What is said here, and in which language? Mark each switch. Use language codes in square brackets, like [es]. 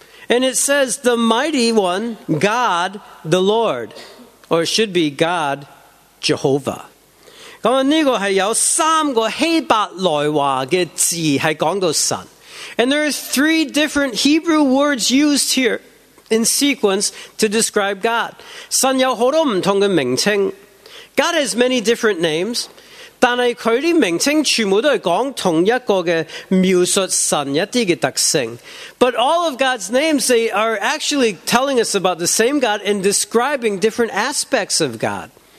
[en] and it says the mighty one, God, the Lord, or it should be God, Jehovah. [yue] 咁啊，呢个系有三个希伯来话嘅字系讲到神。 [en] And there are three different Hebrew words used here in sequence to describe God. [yue] 神有好多唔同嘅名称. [en] God has many different names. [yue] 但系佢啲名称全部都系讲同一个嘅描述神一啲嘅特性. [en] But all of God's names, they are actually telling us about the same God and describing different aspects of God.